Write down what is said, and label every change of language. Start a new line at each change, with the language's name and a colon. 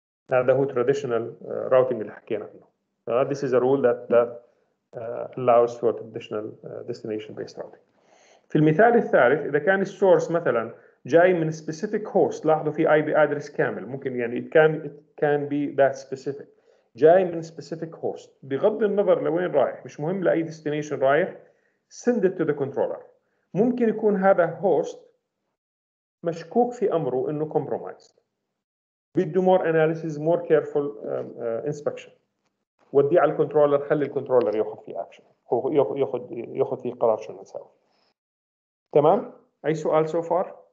Arabic: هذا هو traditional routing اللي حكينا عنه.
English: This is a rule that allows for traditional destination based routing.
Arabic: في المثال الثالث إذا كان source مثلا جاي من specific host لاحظوا في IP address كامل ممكن يعني
English: it can be that specific.
Arabic: جاي من specific host بغض النظر لوين رايح مش مهم لأي destination رايح send it to the controller ممكن يكون هذا host مشكوك في أمره إنه compromised بده
English: more analysis more careful inspection
Arabic: ودي على الكنترولر خلي الكنترولر يأخذ في action هو يأخذ في قرار شو نسوي تمام أي سؤال so far